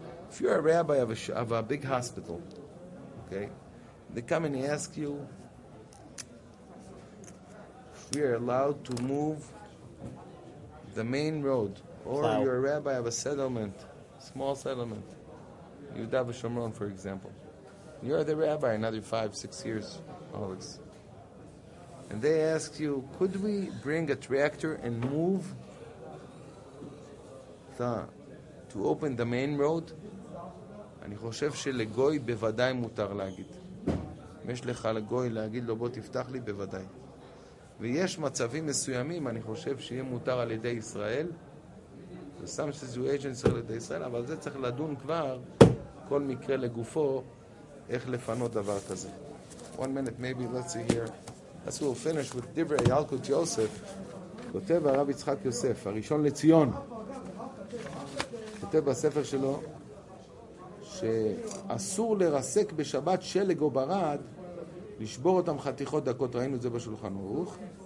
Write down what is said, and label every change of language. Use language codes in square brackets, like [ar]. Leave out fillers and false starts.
[en] If you're a rabbi of a big hospital, okay, they come and ask you if we are allowed to move the main road, or wow, you're a rabbi of a settlement, small settlement, Yehuda v'Shomron, for example. You're the rabbi another 5-6 years. Alex. And they ask you, could we bring a tractor and move the to open the main road? [he] אני חושב שלגוי בוודאי מותר להגיד. אם יש לך לגוי להגיד לו, בוא תפתח לי, בוודאי. ויש מצבים מסוימים, אני חושב שיהיה מותר על ידי ישראל. ושם שזו אג'נס על ידי ישראל, אבל זה צריך לדון כבר, כל מקרה לגופו, איך לפנות דבר כזה. [en] One minute, maybe, let's see here. That's we'll finish with Divrei Yalkut Yosef. [he] כותב הרב יצחק יוסף, הראשון לציון. כותב בספר שלו, שאסור לרסק בשבת שלג או ברד, לשבור אותם חתיכות דקות, ראינו את זה בשולחן ערוך.